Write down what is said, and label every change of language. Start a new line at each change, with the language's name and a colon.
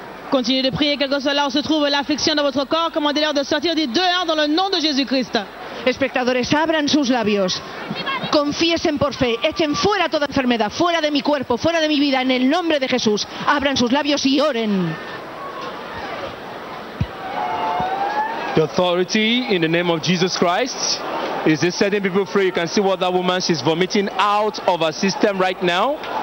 French: Continuez de prier, quelque chose là où se trouve l'affliction de votre corps, commandez-leur de sortir des deux dans le nom de Jésus-Christ.
Spanish: Espectadores, abran sus labios. Confiesen por fe. Echen fuera toda enfermedad, fuera de mi cuerpo, fuera de mi vida, en el nombre de Jesús. Abran sus labios y oren.
English: The authority in the name of Jesus Christ is this setting people free. You can see what that woman is vomiting out of her system right now.